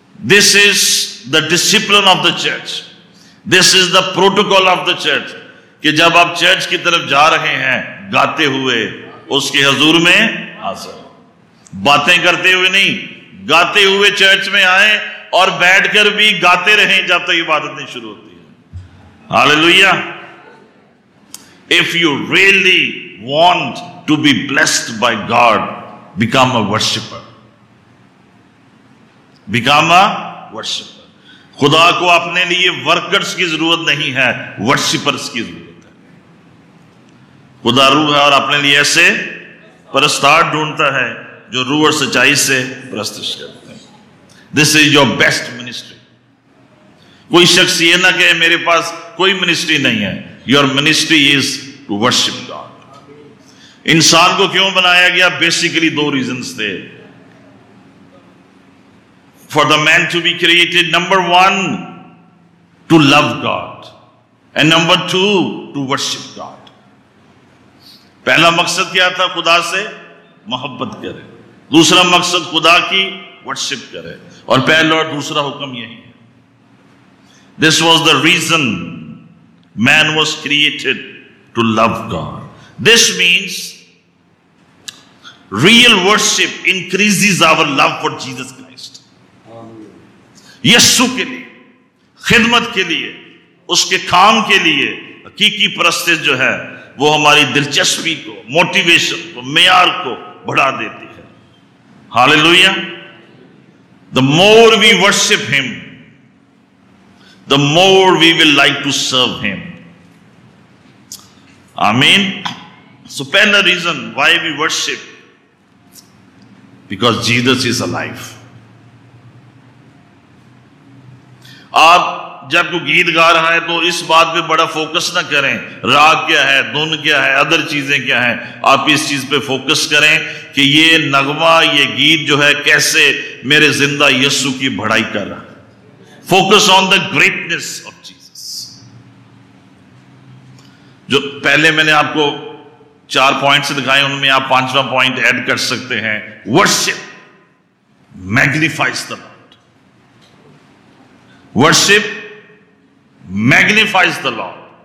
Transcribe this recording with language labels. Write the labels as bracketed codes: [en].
[en] this is the discipline of the church, [ur] this is the protocol of the church, کہ جب آپ church کی طرف جا رہے ہیں گاتے ہوئے اس کے حضور میں حاضر, باتیں کرتے ہوئے نہیں, گاتے ہوئے چرچ میں آئے اور بیٹھ کر بھی گاتے رہیں جب تک عبادت نہیں شروع ہوتی ہے. ہالیلویہ. [en] If you really want to be blessed by God, become a worshipper, become a worshipper. [ur] خدا کو اپنے لیے ورکرز کی ضرورت نہیں ہے, ورشپرز کی ضرورت ہے. خدا روح ہے اور اپنے لیے ایسے پرستار ڈھونڈتا ہے جو روح اور سچائی سے پرستش کرتے. [en] This is your best ministry. [ur] کوئی شخص یہ نہ کہے میرے پاس کوئی منسٹری نہیں ہے. [en] Your ministry is to worship God. [ur] انسان کو کیوں بنایا گیا, بیسیکلی دو ریزنز تھے [en] for the man to be created. Number one, to love God. And number two, to worship God. [ur] پہلا مقصد کیا تھا, خدا سے محبت کرے. دوسرا مقصد خدا کی ورشپ کرے. اور پہلا اور دوسرا حکم یہی ہے. [en] This was the reason man was created to love God. This means real worship increases our love for Jesus Christ. [ur] یسو کے لیے, خدمت کے لیے, اس کے کام کے لیے حقیقی پرستش جو ہے وہ ہماری دلچسپی کو, موٹیویشن کو, معیار کو بڑھا دیتی ہے. ہالیلویہ. [en] The more we worship him, the more we will like to serve him. Amen. So, pehla reason why we worship, because Jesus is alive. [ur] آپ جب کوئی گیت گا رہا ہے تو اس بات پہ بڑا فوکس نہ کریں راگ کیا ہے, دھن کیا ہے, ادر چیزیں کیا ہیں. آپ اس چیز پہ فوکس کریں کہ یہ نغمہ, یہ گیت جو ہے کیسے میرے زندہ یسو کی بڑائی کر رہا ہے. [en] Focus on the greatness of Jesus. [ur] جو پہلے میں نے آپ کو چار پوائنٹس دکھائے ان میں آپ پانچواں پوائنٹ ایڈ کر سکتے ہیں, [en] Worship magnifies the Lord. Worship magnifies the Lord.